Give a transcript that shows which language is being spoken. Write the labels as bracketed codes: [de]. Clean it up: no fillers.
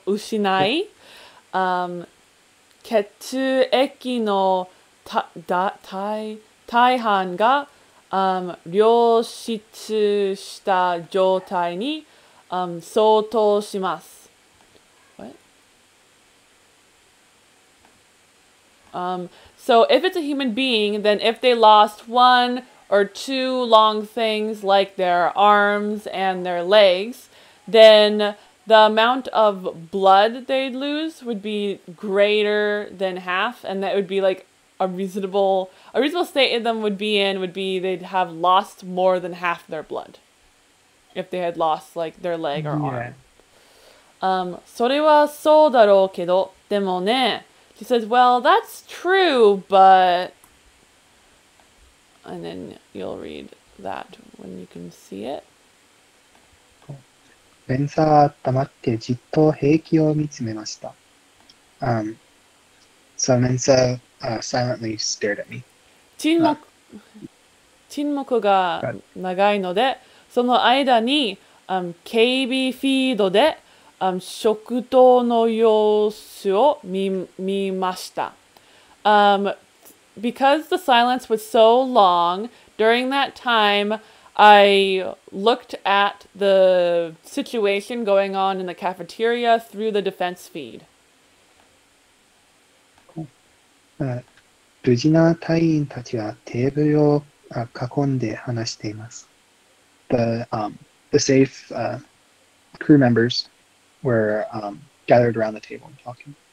[ja] 失い、血液のた、だ、大、大半が、流出した状態に、相当します。 [en] So if it's a human being, then if they lost one or two long things like their arms and their legs, then the amount of blood they'd lose would be greater than half, and that would be like a reasonable state in them would be they'd have lost more than half their blood. If they had lost like their leg or arm. [ja] それはそうだろうけど、でもね。 [en] She says, well, that's true, but... And then you'll read that when you can see it. [ja] ベンサー黙ってじっと兵器を見つめました。 [en] So Mensa silently stared at me. [ja] 沈黙が長いので、その間に警備フィードで食堂の様子を見ました。 [en] Because the silence was so long, during that time, I looked at the situation going on in the cafeteria through the defense feed. [ja] 無事な隊員たちはテーブルを囲んで話しています。 [en] The safe crew members were gathered around the table and talking.